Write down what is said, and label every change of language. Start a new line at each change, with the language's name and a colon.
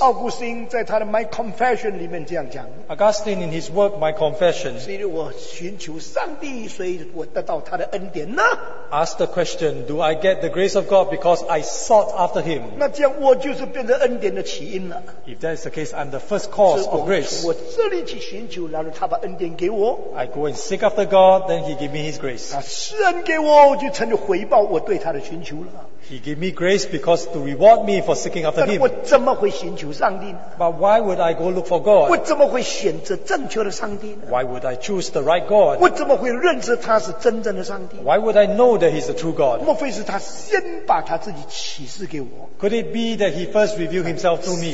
Chinese: 奥古斯丁在他的 My Confession 里面这样讲。
English: Augustine in his work My Confession.
Chinese: 所以我寻求上帝，所以我得到他的恩典呢？
English: Ask the question, do I get the grace of God because I sought after him?
Chinese: 那这样我就是变成恩典的起因了。
English: If that is the case, I'm the first cause of grace.
Chinese: 我这里去寻求，然后他把恩典给我。
English: I go and seek after God, then he gave me his grace.
Chinese: 他施恩给我，就成了回报我对他的寻求了。
English: He gave me grace because to reward me for seeking after him.
Chinese: 我怎么会寻求上帝呢？
English: But why would I go look for God?
Chinese: 我怎么会选择正确的上帝呢？
English: Why would I choose the right God?
Chinese: 我怎么会认识他是真正的上帝？
English: Why would I know that he's the true God?
Chinese: 莫非是他先把他自己启示给我？
English: Could it be that he first revealed himself to me?